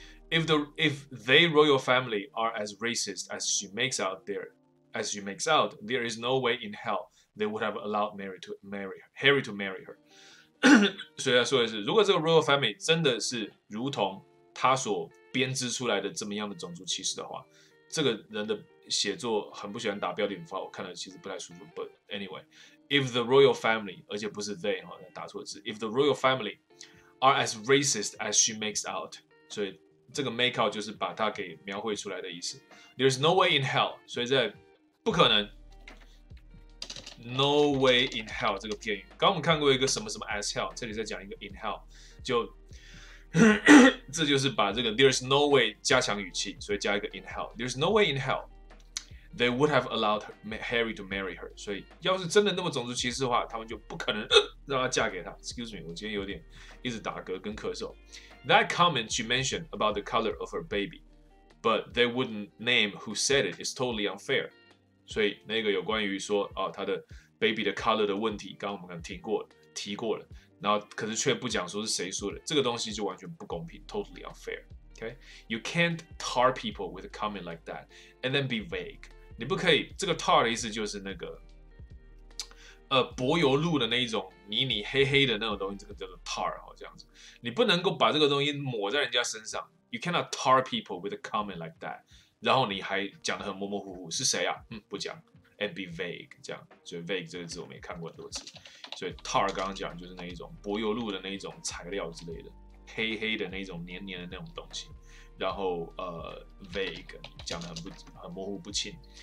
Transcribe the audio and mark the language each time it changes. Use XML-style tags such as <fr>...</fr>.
<en>If they royal family are as racist as she makes out there is no way in hell they would have allowed Harry to marry her。</en> <zh>所以他说的是，如果这个 royal family 真的是如同他所编织出来的这么样的种族歧视的话，这个人的写作很不喜欢打标点符号，我看了其实不太舒服。</zh> <en>But anyway, if the royal family，</en> <zh>而且不是 they 哈，打错字。</zh> <en>If the royal family are as racist as she makes out，</en> <zh>所以这个 make out 就是把它给描绘出来的意思。</zh> <en>There's no way in hell，</en> <zh>所以在不可能。</zh> <en>No way in hell</en> <zh>这个片语，刚我们看过一个什么什么 as hell， 这里再讲一个 in hell， 就这就是把这个 there's no way 加强语气，所以加一个 in hell。</zh> <en>There's no way in hell they would have allowed Harry to marry her。</en> <zh>所以要是真的那么种族歧视的话，他们就不可能让她嫁给他。</zh> <en>Excuse me，</en> <zh>我今天有点一直打嗝跟咳嗽。</zh> <en>That comment she mentioned about the color of her baby， but they wouldn't name who said it is totally unfair。</en> <zh>所以那个有关于说啊，他的 baby 的 color 的问题，刚刚我们可能提过了，然后可是却不讲说是谁说的，这个东西就完全不公平 ，</zh> <en>totally unfair。 Okay， you can't tar people with a comment like that and then be vague。</en> <zh>你不可以，这个 tar 的意思就是那个柏油路的那一种泥泥黑黑的那种东西，这个叫做 tar 哈，这样子，你不能够把这个东西抹在人家身上。</zh> <en>You cannot tar people with a comment like that。</en> <zh>然后你还讲得很模模糊糊，是谁啊？不讲 ，</zh> <en>and be vague，</en> <zh>这样，所以 vague 这个字我们也看过很多次，所以 tar 刚刚讲就是那一种柏油路的那一种材料之类的，黑黑的那一种黏黏的那种东西，然后vague 讲得很模糊不清。</zh>